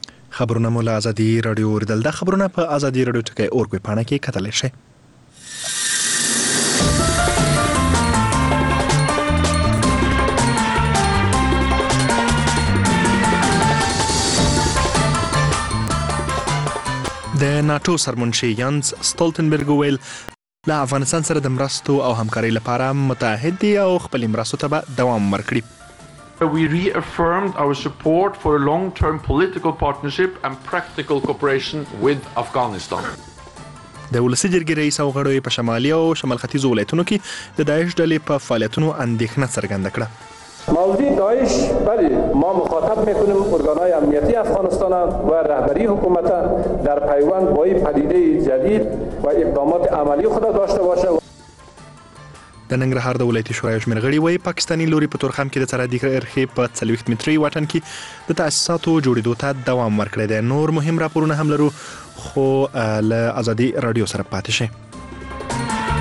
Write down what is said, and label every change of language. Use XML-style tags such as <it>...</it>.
<ps>خبرونه مولا ازادي رادیو اوریدل. دا خبرونه په ازادي رادیو ټکی اور کوي پانه کې کتلی شي. د ناتو سرمنشي یانس ستولتنبرګ ویل له افغانستان سره د مرستو او همکارۍ لپاره متحد دي او خپل مرستو ته به دوام ورکړي.</ps> <en>We reaffirmed our support for a long-term political partnership and practical cooperation with Afghanistan.</en> <ps>د ولسی جرګې رئیس او غړو په شمالي او شمال ختیځو ولایتونو کې د داعش ډلې په فعالیتونو اندېښنه څرګنده کړه.</ps> <fa>موضوع داعش بله، ما مخاطب میکنیم ارگانهای امنیتی افغانستان و رهبری حکومت در پیوند با این پدیده جدید و اقدامات عملی خود داشته باشه.</fa> <ps>د ننګرهار د ولایتي شورای شمیر غړي وایي پاکستانی لوري په تورخم کې د سره دی خرخي په 40 متري واټن کې د تاسیساتو جوړېدو ته دوام ورکړی دی. نور مهم راپورونه هم لرو خو له ازادي رادیو سره پاتې شئ.</ps>